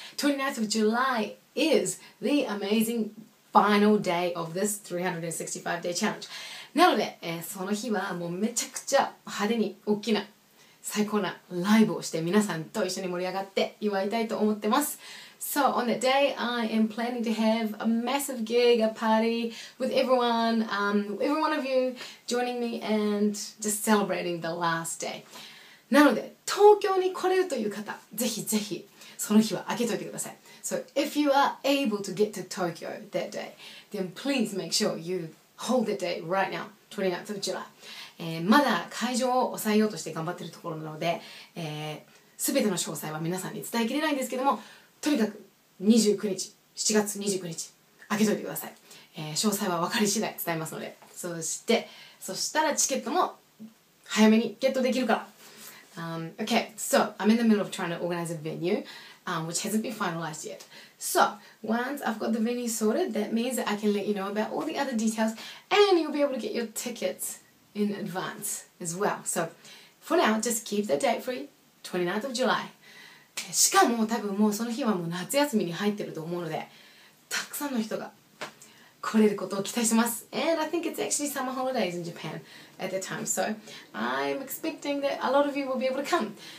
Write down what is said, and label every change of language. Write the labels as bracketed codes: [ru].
[en] 29th of July is the amazing final day of this 365 day challenge。 [ja] なので、その日はもうめちゃくちゃ派手に大きな最高なライブをして皆さんと一緒に盛り上がって祝いたいと思ってます。 [en] So on that day I am planning to have a massive gig, a party with everyone, every one of you joining me and just celebrating the last day。 [ja] なので、東京に来れるという方、ぜひぜひ、その日は開けといてください。 [en] So, if you are able to get to Tokyo that day, then please make sure you hold the day right now, 29th of July.、 [ja] まだ会場を抑えようとして頑張ってるところなので、すべての詳細は皆さんに伝えきれないんですけども、とにかく29日、7月29日、開けといてください。詳細は分かり次第伝えますので、そして、そしたらチケットも早めにゲットできるから。 [en] Okay, so I'm in the middle of trying to organize a venue, which hasn't been finalized yet. So once I've got the venue sorted, that means that I can let you know about all the other details and you'll be able to get your tickets in advance as well. So for now, just keep the date free, 29th of July. [ja] しかも多分もうその日はもう夏休みに入ってると思うので、たくさんの人が来れることを期待してます。 [en] And I think it's actually summer holidays in Japan at the time. So I'm expecting that a lot of you will be able to come.